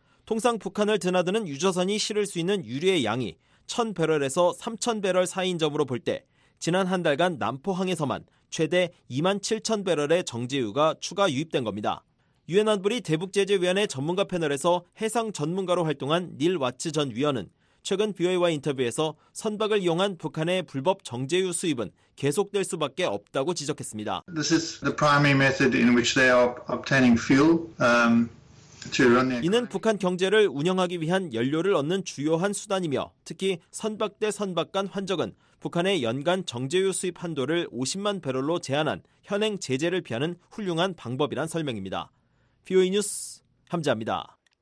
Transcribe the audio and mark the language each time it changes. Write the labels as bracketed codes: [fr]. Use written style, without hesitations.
[ko] 통상 북한을 드나드는 유조선이 실을 수 있는 유류의 양이 1,000배럴에서 3,000배럴 사이인 점으로 볼 때 지난 한 달간 남포항에서만 최대 27,000배럴의 정제유가 추가 유입된 겁니다. 유엔 안보리 대북제재위원회 전문가 패널에서 해상 전문가로 활동한 닐 와츠 전 위원은 최근 BOA와 인터뷰에서 선박을 이용한 북한의 불법 정제유 수입은 계속될 수밖에 없다고 지적했습니다. [en] This is the primary method in which they are obtaining fuel to run their [ko] 이는 북한 경제를 운영하기 위한 연료를 얻는 주요한 수단이며 특히 선박 대 선박 간 환적은 북한의 연간 정제유 수입 한도를 50만 배럴로 제한한 현행 제재를 피하는 훌륭한 방법이란 설명입니다. BOA 뉴스 함재합니다.